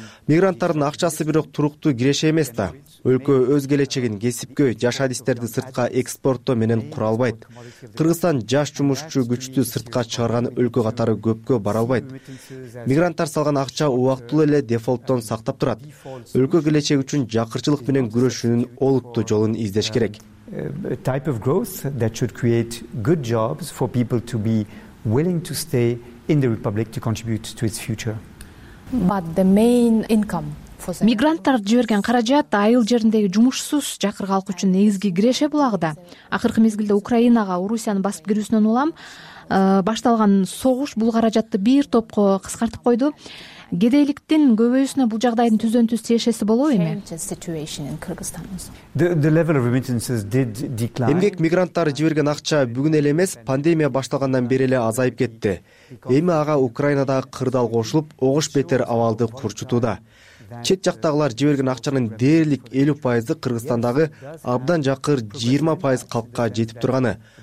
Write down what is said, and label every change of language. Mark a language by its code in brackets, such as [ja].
[ky] Мигранттардын акчасы бирок туруктуу киреше эмес да. Өлкө өз келечегин кесипке, жаш адистерди сыртка экспорттоо менен кура албайт. Кыргызстан жаш жумушчу күчтү сыртка чыгарган өлкө катары көпкө бара албайт. Мигранттар салган акча убактылуу эле дефолттон сактап турат. Өлкө келечеги үчүн жакырчылык менен күрөшүүнүн олуттуу жолун издеш керек. [en] Type of growth that should create good jobs for people to be willing to stay in the republic to contribute to its future. But the main income [ky] Мигранттар жиберген каражат айыл жериндеги жумушсуз жакыр калк үчүн негизги киреше булагыда. Акыркы мезгилде Украинага Орусияны басып кирүүсүнөн улам башталган согуш бул каражатты бир топко кыскартып койду. Кедейликтин көбөйүүсүнө бул жагдайдын түздөн түз тиешеси болобу эми? [en] The level of remittances did decline. [ky] Эмгек мигранттары жиберген акча бүгүн эле эмес, пандемия башталгандан бери эле азайып кетти. Эми ага Украинада кырдаал кошулуп, огош бетер абалды курчутууда. Чет жактагылар жиберген акчанын дээрлик 50% Кыргызстандагы абдан жакыр 20% калкка жетип турганы.